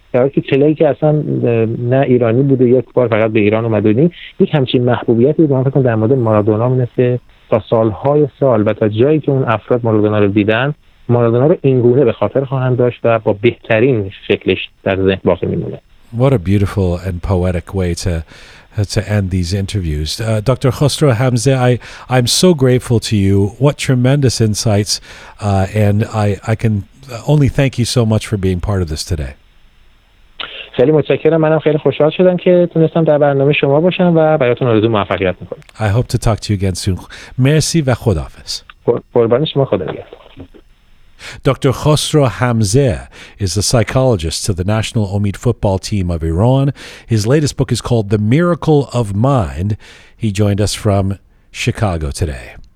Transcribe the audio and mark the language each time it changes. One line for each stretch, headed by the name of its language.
Persian: در حالی که کلی که اصلا نه ایرانی بوده، یک بار فقط به ایران اومده بودین، یک همچین محبوبیتی به من فکر کنم در مورد مارادونا می‌نسه تا سال‌های سال و تا جایی که اون افراد مارادونا رو دیدن، مارادونا رو اینگونه به خاطر خواهند داشت و با بهترین شکلش در ذهن باقی میمونه.
English: What a beautiful and poetic way to end these interviews. Dr. Khosrow Hamzeh, I'm so grateful to you. What tremendous insights. And I can only thank you so much for being part of this today.
Persian: خیلی متشکرم. منم خیلی خوشحال شدم که تونستم در برنامه شما باشم و براتون آرزو موفقیت میکنم.
English: I hope to talk to you again soon.
Persian: مرسی و خداحافظ. قربان شما، خدا نگهدار.
English: Dr. Khosrow Hamzeh is a psychologist to the national Omid football team of Iran. His latest book is called The Miracle of Mind. He joined us from Chicago today.